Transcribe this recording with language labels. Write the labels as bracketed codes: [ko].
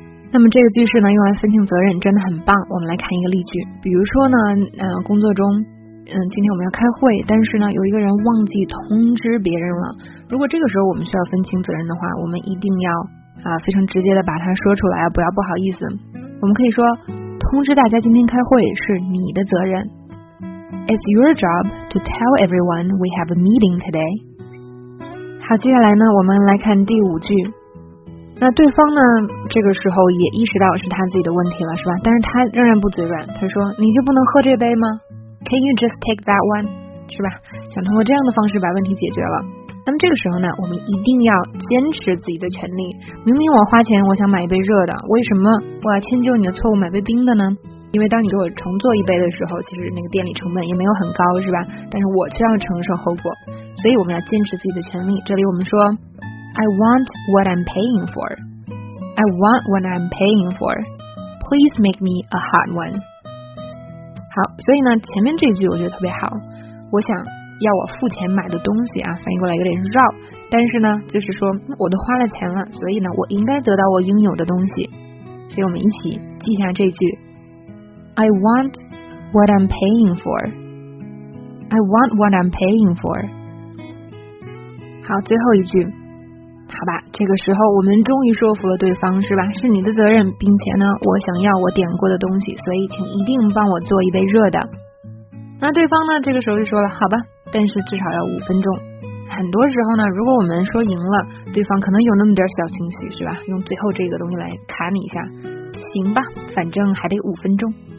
[zh] 那么这个句式呢用来分清责任真的很棒。我们来看一个例句，比如说呢，工作中今天我们要开会，但是呢有一个人忘记通知别人了。如果这个时候我们需要分清责任的话，我们一定要非常直接的把它说出来，不要不好意思。我们可以说，通知大家今天开会是你的责任。 [en] It's your job to tell everyone we have a meeting today。 [zh] 好，接下来呢我们来看第五句。那对方呢这个时候也意识到是他自己的问题了，是吧，但是他仍然不嘴软，他说，你就不能喝这杯吗？ [en] Can you just take that one， [zh] 是吧，想通过这样的方式把问题解决了。那么这个时候呢，我们一定要坚持自己的权利，明明我花钱我想买一杯热的，为什么我要迁就你的错误买杯冰的呢？因为当你给我重做一杯的时候，其实那个店里成本也没有很高，是吧，但是我却要承受后果，所以我们要坚持自己的权利。这里我们说， [en] I want what I'm paying for. I want what I'm paying for. Please make me a hot one. [zh] 好，所以呢，前面这句我觉得特别好。我想要我付钱买的东西啊，翻译过来有点绕，但是呢，就是说我都花了钱了，所以呢，我应该得到我应有的东西。所以我们一起记下这句 [en] ：I want what I'm paying for. I want what I'm paying for. [zh] 好，最后一句。好吧，这个时候我们终于说服了对方，是吧，是你的责任，并且呢我想要我点过的东西，所以请一定帮我做一杯热的。那对方呢这个时候就说了，好吧，但是至少要五分钟。很多时候呢，如果我们说赢了，对方可能有那么点小情绪，是吧，用最后这个东西来卡你一下，行吧，反正还得五分钟。